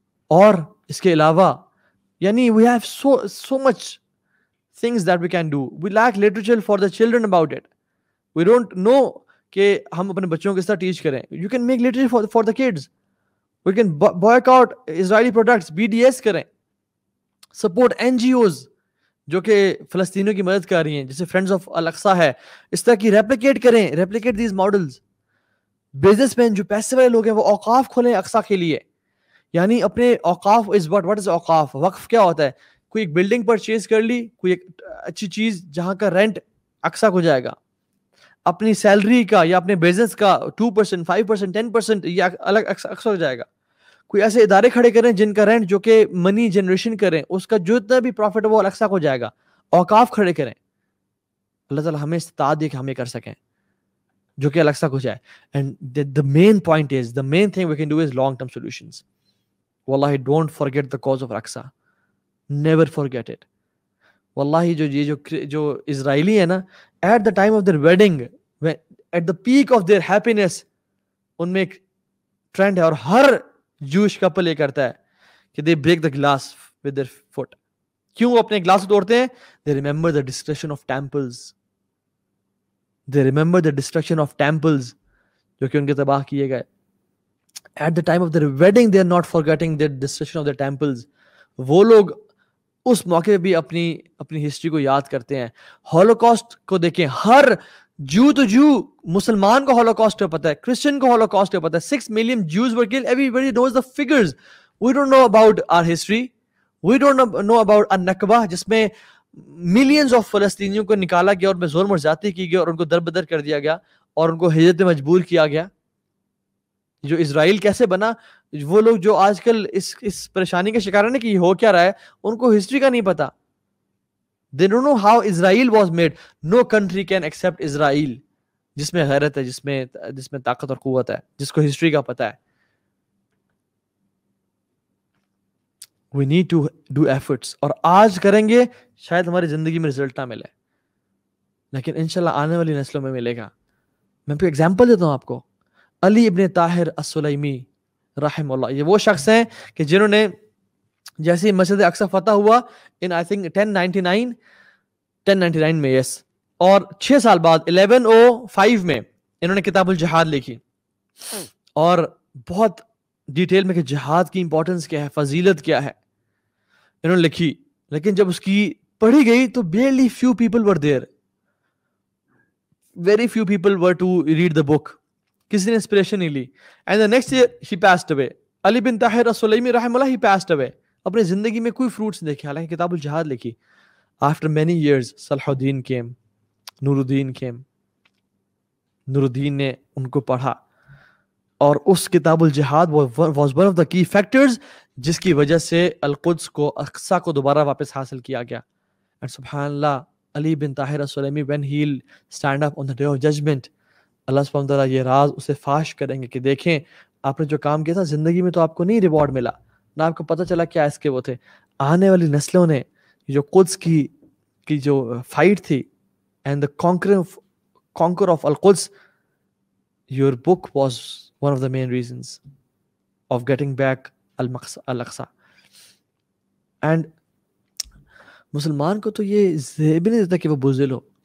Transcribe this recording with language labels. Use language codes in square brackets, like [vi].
[en] Aur iske ilawa, yani we have so much things that we can do. We lack literature for the children about it. We don't know [ur] ke hum apne bachchon ko kis tarah teach kare. [en] You can make literature for the kids. We can boycott Israeli products, BDS karein. Support NGOs. [ur] جو کہ فلسطینیوں کی مدد کر رہی ہیں, جیسے friends of الاقصا ہے, اس طرح کی ریپلیکیٹ کریں, [en] Replicate these models. [ur] Business man جو پیسے والے لوگ ہیں وہ اوقاف کھولیں اقصا کے لیے, یعنی اپنے اوقاف از واٹ, واٹ از اوقاف, وقف کیا ہوتا ہے, کوئی ایک بلڈنگ پرچیز کر لی, کوئی ایک اچھی چیز جہاں کا رینٹ اقصا کو جائے گا, اپنی سیلری کا یا اپنے بزنس کا 2%, 5%, 10% یہ الگ اقصا ہو جائے گا. کوئی ایسے ادارے کھڑے کریں جن کا رینٹ جو کہ منی جنریشن کریں, اس کا جتنا بھی پروفٹ وہ الگ سا ہو جائے گا. اوقاف کھڑے کریں, اللہ تعالیٰ ہمیں استطاعت دے کہ ہم یہ کر سکیں جو کہ الگ سا ہو جائے. [en] And the main point is, the main thing we can do is long term solutions. واللہ don't forget the cause of Al-Aqsa, never forget it. واللہ [ur] جو یہ جو اسرائیلی ہے نا, [en] at the time of their wedding, at the peak of their happiness, [ur] ان میں ایک ٹرینڈ ہے اور ہر جوش کپل یہ کرتا ہے کہ [en] They break the glass with their foot. [ur] کیوں وہ اپنے گلاس توڑتے ہیں؟ [en] they remember the destruction of temples, they remember the destruction of temples [ur] جو کہ ان کے تباہ کیے گئے. [en] At the time of their wedding they are not forgetting their destruction of their temples. [ur] وہ لوگ اس موقع پہ بھی اپنی ہسٹری کو یاد کرتے ہیں. ہولوکاسٹ کو دیکھیں, ہر جو تو جو مسلمان کو ہولوکاسٹ پتا ہے, کرسچن کو ہولوکاسٹ پتا ہے. [en] 6 million Jews were killed. Everybody knows the figures. We don't know about our history. We don't know about [ur] النکبہ, جس میں millions of فلسطینیوں کو نکالا گیا اور میں ظلم اور زیادتی کی گئی اور ان کو در بدر کر دیا گیا اور ان کو ہجرت میں مجبور کیا گیا. جو اسرائیل کیسے بنا, وہ لوگ جو آج کل اس پریشانی کا شکار ہیں کہ یہ ہو کیا رہا ہے, ان کو ہسٹری کا نہیں پتا. [en] They don't know how Israel was made. No country can accept Israel, [ur] جس میں غیرت ہے, جس میں طاقت اور قوت ہے, جس کو ہسٹری کا پتا ہے. [en] We need to do efforts. [ur] اور آج کریں گے شاید ہماری زندگی میں ریزلٹ نہ ملے, لیکن انشاءاللہ آنے والی نسلوں میں ملے گا. میں کوئی ایگزامپل دیتا ہوں آپ کو. علی ابن طاہر السلیمی رحم اللہ, یہ وہ شخص ہیں کہ جنہوں نے جیسے مسجد اقصی فتح ہوا ان آئی تھنک 1099 میں, یس, اور 6 سال بعد 1105 میں انہوں نے کتاب الجہاد لکھی اور بہت ڈیٹیل میں کہ جہاد کی امپورٹنس کیا ہے, فضیلت کیا ہے انہوں نے لکھی. لیکن جب اس کی پڑھی گئی تو [en] barely few people were there, very few people were to read the book, [ur] کسی نے انسپریشن نہیں لی. [en] And the next year he passed away. [ur] علی بن طاہر السلیمی رحم اللہ [en] he passed away, [ur] اپنے زندگی میں کوئی فروٹس نہیں دیکھے, حالانکہ کتاب الجہاد لکھی. آفٹر مینی ایئرز صلاح الدین کیم, نور الدین نے ان کو پڑھا اور اس کتاب الجہاد واز ون آف دا کی فیکٹرز جس کی وجہ سے القدس کو, اقصا کو دوبارہ واپس حاصل کیا گیا. اینڈ سبحان اللہ, علی بن Tahir السلیمی [en] when he will stand up on the day of judgment, [ur] اللہ سبحانہ وتعالیٰ یہ راز اسے فاش کریں گے کہ دیکھیں آپ نے جو کام کیا تھا زندگی میں تو آپ کو نہیں ریوارڈ ملا, نہ آپ کو پتہ چلا کیا اس کے وہ تھے. آنے والی نسلوں نے جو قدس کی جو فائٹ تھی, [en] And the conqueror of Al-Quds, your book was one of the main reasons of getting back Al-Aqsa. [ur] And مسلمان کو تو یہ زیب نہیں دیتا کہ وہ بزدل ہو.